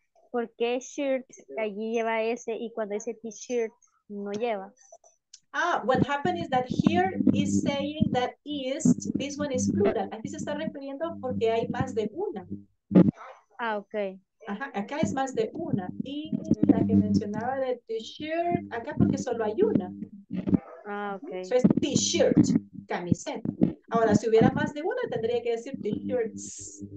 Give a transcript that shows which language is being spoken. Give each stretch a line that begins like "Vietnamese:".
Spanish: ¿Por qué shirt allí lleva ese y cuando dice t-shirt no lleva?
English: Ah, what happened is that here is saying that is, this one is plural.
Spanish: Aquí se está refiriendo porque hay más de una.
English: Ah, okay.
Spanish: Ajá, acá es más de una. Y la que mencionaba de t-shirt, acá porque solo hay una.
English: Ah, ok.
Spanish: So es t-shirt, camiseta. Ahora, si hubiera más de una, tendría que decir t-shirts.